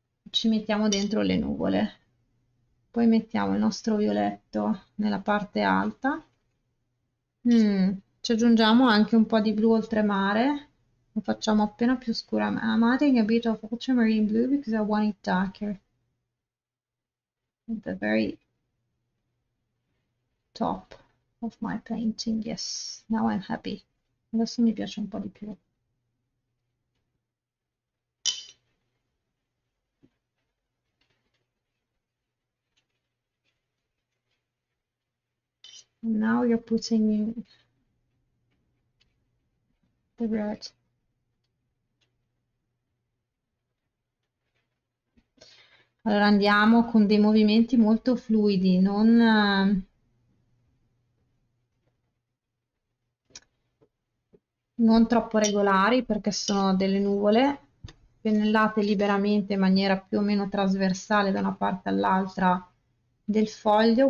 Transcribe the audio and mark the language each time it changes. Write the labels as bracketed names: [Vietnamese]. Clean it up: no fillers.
[Italian] Ci mettiamo dentro le nuvole, poi mettiamo il nostro violetto nella parte alta. Ci aggiungiamo anche un po' di blu oltremare, lo facciamo appena più scura. [English] I'm adding a bit of ultramarine blue because I want it darker at the very top of my painting. Yes, now I'm happy. [Italian] Adesso mi piace un po' di più. [English] Now you're putting the red. [Italian] Allora andiamo con dei movimenti molto fluidi, non troppo regolari, perché sono delle nuvole pennellate liberamente in maniera più o meno trasversale da una parte all'altra del foglio.